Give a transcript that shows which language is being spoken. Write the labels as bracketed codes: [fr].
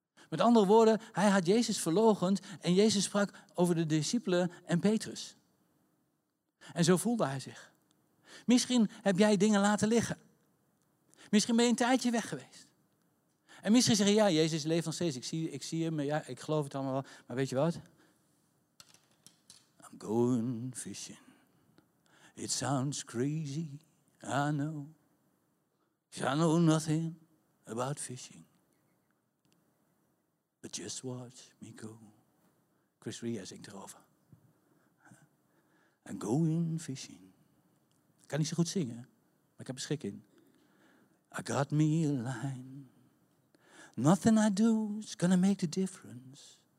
[nl] Met andere woorden, hij had Jezus verloochend en Jezus sprak over de discipelen en Petrus. En zo voelde hij zich. Misschien heb jij dingen laten liggen. Misschien ben je een tijdje weg geweest. En misschien zeg je, ja, Jezus leeft nog steeds. Ik zie hem, ja, ik geloof het allemaal wel. Maar weet je wat? [en] I'm going fishing. It sounds crazy. I know nothing about fishing. But just watch me go. [nl] Chris Rea zingt erover. [en] I'm going fishing. [nl] Ik kan niet zo goed zingen, maar ik heb er schik in. [en] I got me a line. Nothing I do is gonna make the difference.